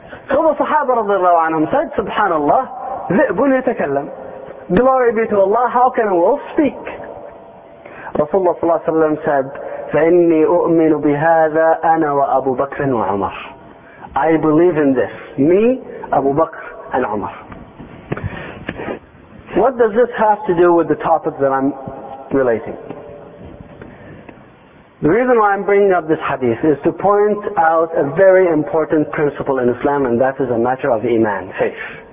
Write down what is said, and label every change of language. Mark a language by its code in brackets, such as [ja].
[en] So the Sahaba [ar] رضي الله عنهم said, سبحان الله, ذِئْبٌ يَتَكَلَّمْ. [en] Glory be to Allah, how can a wolf speak? [ar] Rasulullah صلى الله عليه وسلم said, فَإِنِّي أُؤْمِنُ بِهَذَا أَنَا وَأَبُو بَكْرٍ وَعُمَرٍ. [en] I believe in this, me, Abu Bakr and Umar. What does this have to do with the topic that I'm relating? The reason why I'm bringing up this hadith is to point out a very important principle in Islam, and that is a matter of iman, faith.